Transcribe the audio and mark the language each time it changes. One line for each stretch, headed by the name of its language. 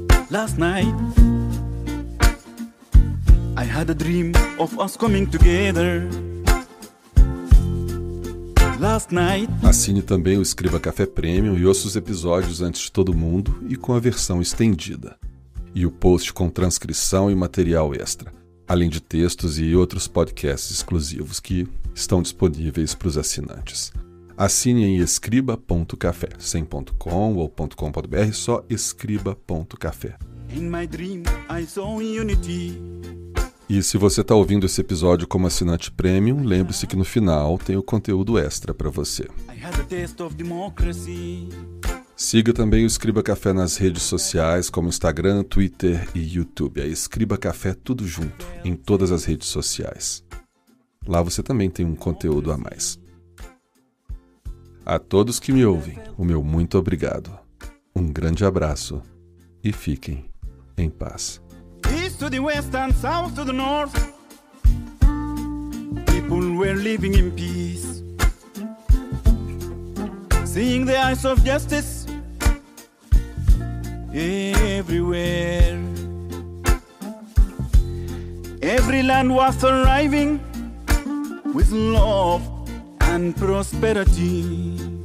English: Last night I had a dream of us coming together. Last night.
Portuguese: Assine também o Escriba Café Premium e ouça os episódios antes de todo mundo e com a versão estendida. E o post com transcrição e material extra, além de textos e outros podcasts exclusivos que estão disponíveis para os assinantes. Assine em escriba.café, sem ponto .com ou ponto .com.br, só escriba.café.
English: In my dream, I saw unity.
Portuguese: E se você está ouvindo esse episódio como assinante premium, lembre-se que no final tem o conteúdo extra para você.
English: I had a taste of democracy.
Portuguese: Siga também o Escriba Café nas redes sociais, como Instagram, Twitter e YouTube. É Escriba Café tudo junto, em todas as redes sociais. Lá você também tem um conteúdo a mais. A todos que me ouvem, o meu muito obrigado. Um grande abraço e fiquem em paz.
English: East to the west and south to the north. People were living in peace. Seeing the eyes of justice. Everywhere, every land was thriving with love and prosperity.